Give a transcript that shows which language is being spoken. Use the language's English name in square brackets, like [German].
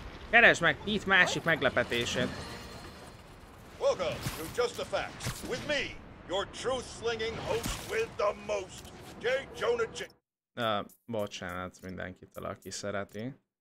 [Hungarian] Keresd meg itt másik meglepetését. [English] Welcome to Just the Facts, with me, your truth-slinging host with the most, J. Jonah Jameson. [Hungarian] Bocsánat mindenkitől, aki szereti.